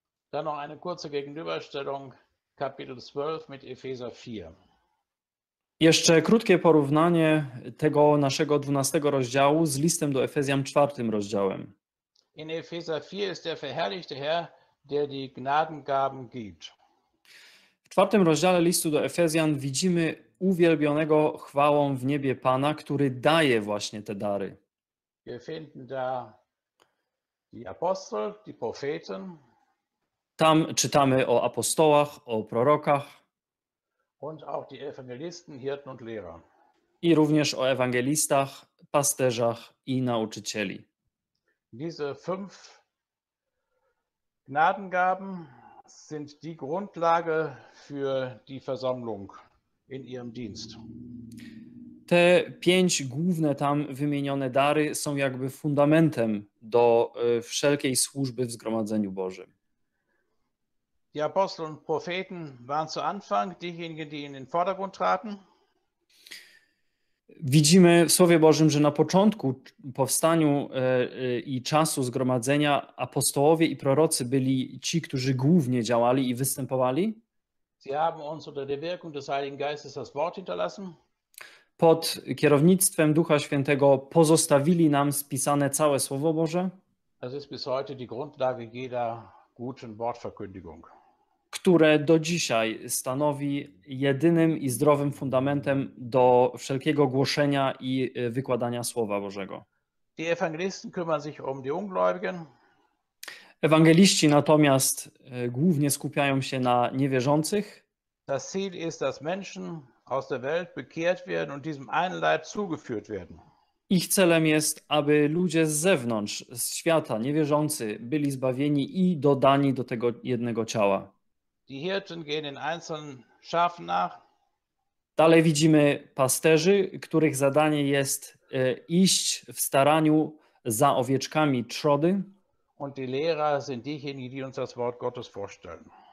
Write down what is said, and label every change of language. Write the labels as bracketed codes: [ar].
[de] Dann noch eine kurze Gegenüberstellung, Kapitel 12 mit Epheser 4. [pl] Jeszcze krótkie porównanie tego naszego 12 rozdziału z listem do Efezjan 4 rozdziałem. [de] In Epheser 4 ist der verherrlichte Herr, der die Gnadengaben gibt. [pl] W 4 rozdziale listu do Efezjan widzimy uwielbionego chwałą w niebie Pana, który daje właśnie te dary. [de] Wir finden da die Apostel, die Propheten. [pl] Tam czytamy o apostołach, o prorokach. [de] Und auch die Evangelisten, Hirten und Lehrer. [pl] I również o ewangelistach, pasterzach i nauczycieli. [de] Diese fünf Gnadengaben sind die Grundlage für die Versammlung in ihrem Dienst. [pl] Te pięć główne tam wymienione dary są jakby fundamentem do wszelkiej służby w Zgromadzeniu Bożym. [de] Die Apostel und Propheten waren zu Anfang diejenigen, die in den Vordergrund traten. [pl] Widzimy w Słowie Bożym, że na początku powstaniu i czasu zgromadzenia apostołowie i prorocy byli ci, którzy głównie działali i występowali. [de] Sie haben uns unter der Wirkung des Heiligen Geistes das Wort hinterlassen. [pl] Pod kierownictwem Ducha Świętego pozostawili nam spisane całe Słowo Boże. [de] Das ist bis heute die Grundlage jeder guten Wortverkündigung. [pl] Które do dzisiaj stanowi jedynym i zdrowym fundamentem do wszelkiego głoszenia i wykładania Słowa Bożego. [de] Die Evangelisten kümmern sich um die Ungläubigen. [pl] Ewangeliści natomiast głównie skupiają się na niewierzących. [de] Das Ziel ist, dass Menschen aus der Welt bekehrt werden und diesem einen Leib zugeführt werden. [pl] Ich celem jest, aby ludzie z zewnątrz, z świata, niewierzący, byli zbawieni i dodani do tego jednego ciała. [de] Die Hirten gehen den einzelnen Schafen nach. [pl] Dalej widzimy pasterzy, których zadanie jest iść w staraniu za owieczkami trzody. [de] Und die Lehrer sind diejenigen, die uns das Wort Gottes vorstellen.